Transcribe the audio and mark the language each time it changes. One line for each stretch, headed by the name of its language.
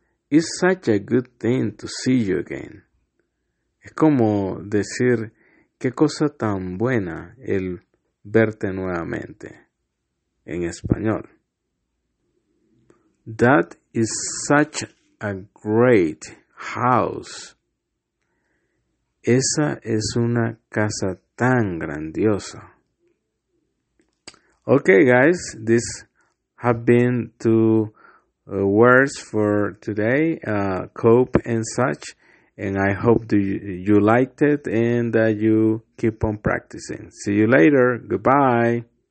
English: It's such a good thing to see you again.
Spanish: Es como decir, qué cosa tan buena el verte nuevamente. En español.
English: That is such a great house.
Spanish: Esa es una casa tan grandiosa.
English: Okay, guys, this have been two words for today, cope and such, and I hope you liked it and that you keep on practicing. See you later. Goodbye.